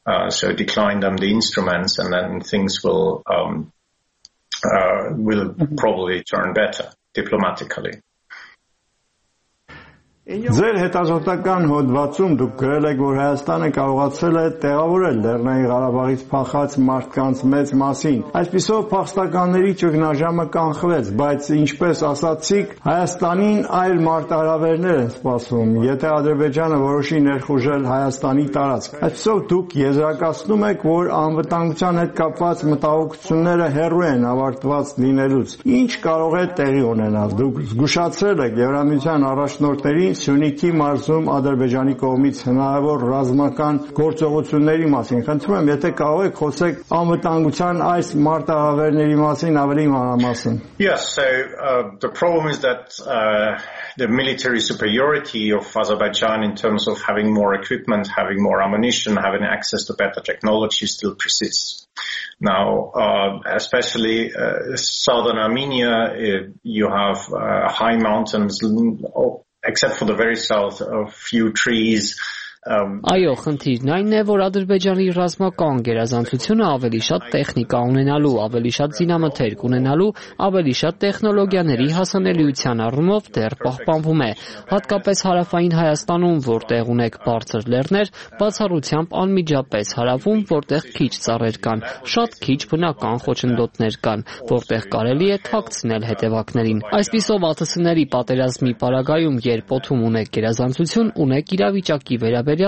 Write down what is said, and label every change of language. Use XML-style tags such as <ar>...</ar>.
<en>So decline them the instruments and then things will probably turn better diplomatically.</en> <hy>Ձեր հետազոտական հոդվածում դուք գրել եք, որ Հայաստանը կարողացել է տեղավորել Լեռնային Ղարաբաղից փախած մարդկանց մեծ մասին։ Այսպիսով փախստականների ճգնաժամը կանխվեց, բայց ինչպես ասացիք, Հայաստանին այլ մարտահրավերներ են սպասում, եթե Ադրբեջանը որոշի ներխուժել Հայաստանի տարածք։ Այսպիսով դուք եզրակացնում եք, որ անվտանգության հետ կապված մտահոգությունները հեռու են ավարտված լինելուց։ Ինչ կարող է տեղի ունենալ։ Դուք զգուշացրել եք Եվրամիության առաջնորդների Սյունիքի մարզում Ադրբեջանի կողմից հնարավոր ռազմական գործողությունների մասին։ Խնդրում եմ, եթե կարող եք խոսեք անվտանգության այս մարտահրավերների մասին ավելի մանրամասն։</hy> <en>Yes, so the problem is that the military superiority of Azerbaijan in terms of having more equipment, having more ammunition, having access to better technology still persists. Now, especially southern Armenia, you have high mountains. Except for the very south, a few trees.</en> <hy>Այո, խնդիրն այն է, որ Ադրբեջանի ռազմական գերազանցությունը ավելի շատ տեխնիկա ունենալու, ավելի շատ զինամթերք ունենալու, ավելի շատ տեխնոլոգիաների հասանելիության առումով դեռ պահպանվում է, հատկապես հարավային Հայաստանում, որտեղ ունեք բարձր լեռներ, բացառությամբ անմիջապես հարավում, որտեղ քիչ ծառեր կան, շատ քիչ բնական խոչընդոտներ կան, որտեղ կարելի է թաքցնել հետևակներին։ Այսպիսով ԱԹՍ-ների պատերազմի պարագայում, երբ օդում ունեք գերազանցություն, ունեք իրավիճակի վերաբերյալ</hy>